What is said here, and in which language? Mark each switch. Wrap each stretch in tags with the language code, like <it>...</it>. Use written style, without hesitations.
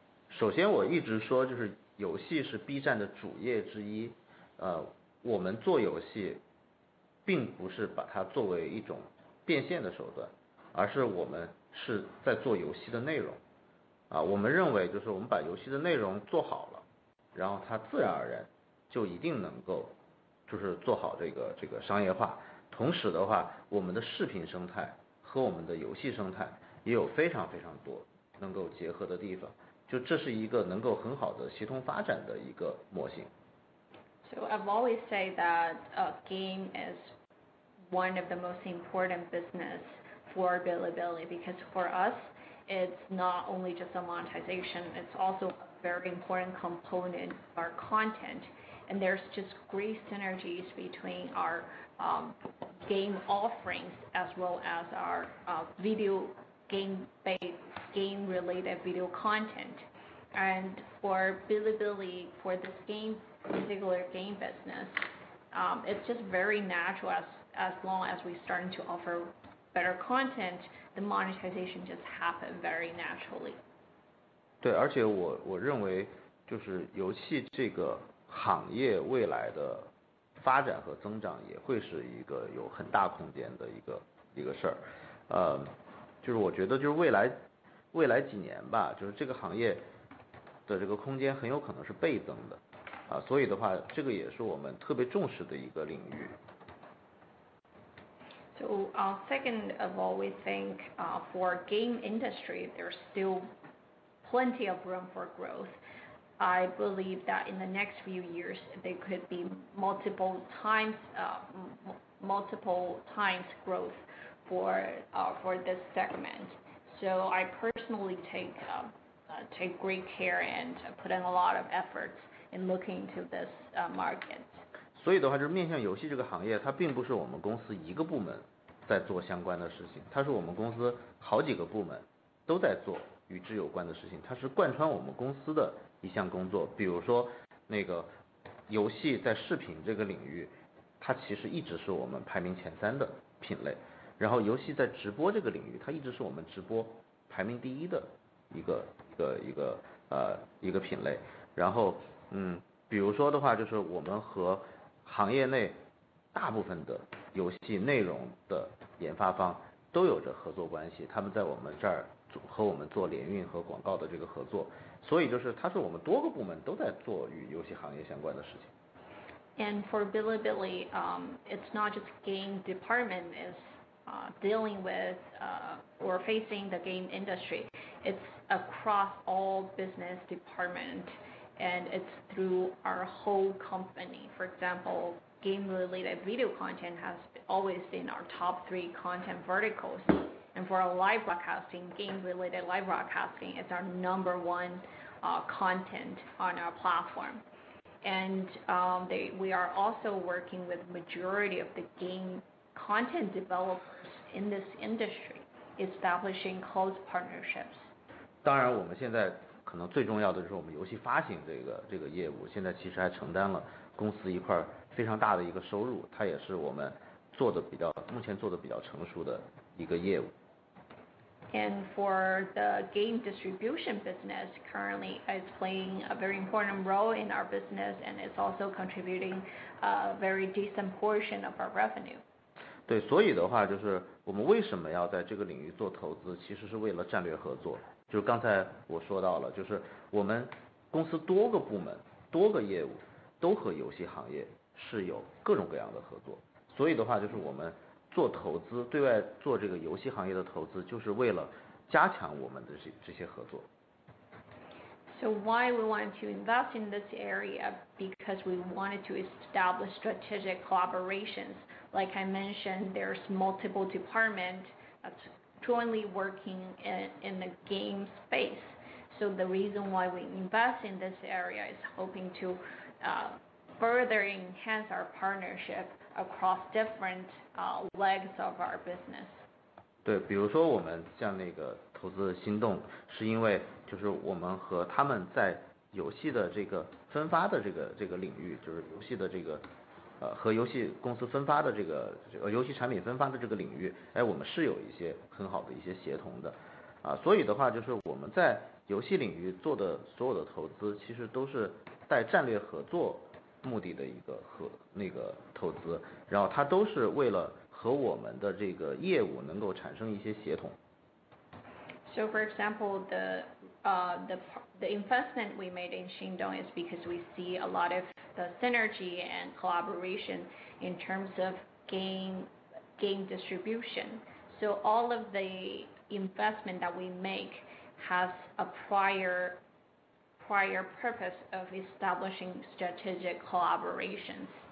<zh>首先我一直说就是游戏是 B 站的主业之一，我们做游戏并不是把它作为一种变现的手段，而是我们是在做游戏的内容啊，我们认为就是我们把游戏的内容做好了，然后它自然而然就一定能够就是做好这个商业化。同时的话，我们的视频生态和我们的游戏生态也有非常非常多能够结合的地方，就这是一个能够很好的协同发展的一个模型。</zh> <en>So I've always said that a game is one of the most important business for Bilibili, because for us it's not only just a monetization, it's also a very important component of our content, and there's just great synergies between our game offerings as well as our video game based game related video content. And for Bilibili, for this game particular game business, it's just very natural as long as we start to offer better content, the monetization just happens very naturally.</en> <zh>对，而且我认为就是油气这个行业未来的发展和增长也会是一个有很大空间的一个事儿，就是我觉得就是未来几年吧，就是这个行业的这个空间很有可能是倍增的，啊，所以的话，这个也是我们特别重视的一个领域。</zh> <en>So, second of all, we think for game industry, there's still plenty of room for growth. I believe that in the next few years, there could be multiple times growth for this segment. So I personally take great care and put in a lot of efforts in looking into this market.</en> <zh>所以的话，就是面向游戏这个行业，它并不是我们公司一个部门在做相关的事情，它是我们公司好几个部门都在做与之有关的事情，它是贯穿我们公司的一项工作。比如说，那个游戏在视频这个领域，它其实一直是我们排名前三的品类；然后游戏在直播这个领域，它一直是我们直播排名第一的一个品类。然后，比如说的话，就是我们和行业内大部分的游戏内容的研发方都有着合作关系，他们在我们这儿和我们做联运和广告的这个合作，所以就是它是我们多个部门都在做与游戏行业相关的事情。</zh> <en>And for Bilibili, it's not just game department is dealing with or facing the game industry. It's across all business department, and it's through our whole company. For example, game-related video content has always been our top three content verticals. And for our live broadcasting, game-related live broadcasting is our number one content on our platform. And we are also working with majority of the game content developers in this industry, establishing close partnerships.</en> <zh>当然，我们现在可能最重要的就是我们游戏发行这个业务，现在其实还承担了公司一块非常大的一个收入，它也是我们目前做的比较成熟的一个业务。</zh> <en>And for the game distribution business, currently it's playing a very important role in our business, and it's also contributing a very decent portion of our revenue.</en> <zh>对，所以的话就是我们为什么要在这个领域做投资，其实是为了战略合作。就是刚才我说到了，就是我们公司多个部门、多个业务都和游戏行业是有各种各样的合作。所以的话，就是我们做投资，对外做这个游戏行业的投资，就是为了加强我们的这些合作。</zh> <en>So why we wanted to invest in this area? Because we wanted to establish strategic collaborations. Like I mentioned, there's multiple department that's jointly working in the game space. So the reason why we invest in this area is hoping to further enhance our partnership across different legs of our business.</en> <zh>对，比如说我们像那个投资心动，是因为就是我们和他们在游戏的这个分发的这个领域，就是游戏的这个和游戏公司分发的这个游戏产品分发的这个领域，哎，我们是有一些很好的一些协同的，啊，所以的话就是我们在游戏领域做的所有的投资，其实都是带战略合作目的的一个和那个投资，然后它都是为了和我们的这个业务能够产生一些协同。</zh> <en>So, for example, the investment we made in Shingdong is because we see a lot of the synergy and collaboration in terms of game distribution. So, all of the investment that we make has a prior purpose of establishing strategic collaborations.</en>